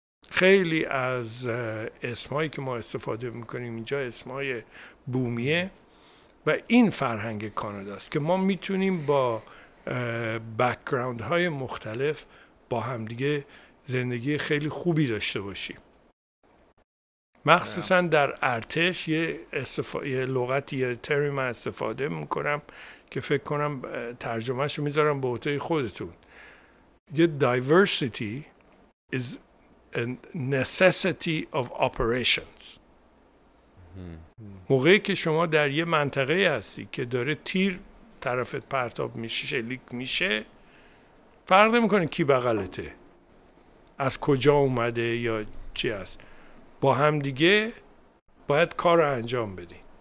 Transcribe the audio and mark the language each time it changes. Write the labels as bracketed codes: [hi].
[fa] خیلی از اسمایی که ما استفاده میکنیم اینجا اسمای بومیه و این فرهنگ کاناداست که ما میتونیم با بک‌گراند های مختلف با همدیگه زندگی خیلی خوبی داشته باشیم. مخصوصا در ارتش یه لغتی یه ترمی من استفاده میکنم که فکر کنم ترجمهش رو میذارم به عهده خودتون. [en] یه diversity is a necessity of operations. [fa] موقعی که شما در یه منطقه هستی که داره تیر طرفت پرتاب میشه، شلیک میشه، فرق نمیکنه کی بغلته، از کجا اومده یا چی هست، با هم دیگه باید کار رو انجام بدی.